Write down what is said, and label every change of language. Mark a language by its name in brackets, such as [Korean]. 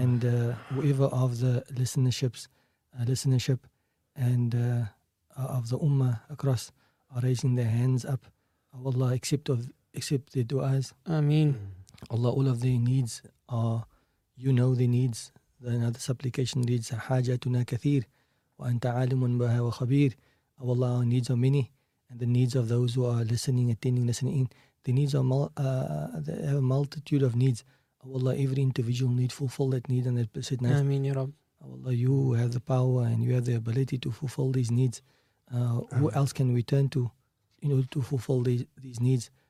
[English] And whoever of the listenership and of the ummah across are raising their hands up, oh Allah, accept their du'as. Ameen. Allah, all of their needs are, you know their needs. Another supplication reads, [Arabic] حاجاتنا كثير وأنت عالم بها وخبير. [English] Oh Allah, our needs are many. And the needs of those who are listening in, the needs are they have a multitude of needs. Oh Allah, every individual need fulfill that need and that blessed night. Ameen, Ya Rab. Oh Allah, you have the power and you have the ability to fulfill these needs. Who else can we turn to in order to fulfill these needs?